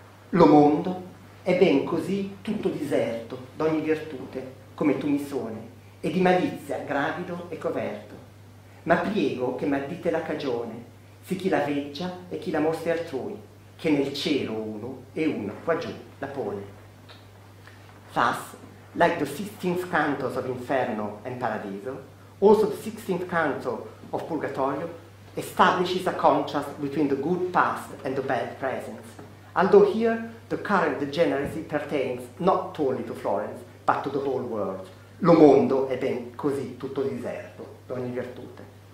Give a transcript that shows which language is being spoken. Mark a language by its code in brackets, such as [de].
[it] Lo mondo è ben così tutto deserto d'ogni virtute, come tu mi suoni, e di malizia gravido e coperto. Ma priego che m'addite la cagione, si chi la veggia e chi la mostri altrui, che nel cielo uno e uno qua giù la pone. [en] Thus, like the 16th cantos of Inferno and Paradiso, also the 16th canto of Purgatorio establishes a contrast between the good past and the bad present, although here the current degeneracy pertains not only to Florence, but to the whole world. [it] Lo mondo è ben così tutto deserto, d'ogni virtute.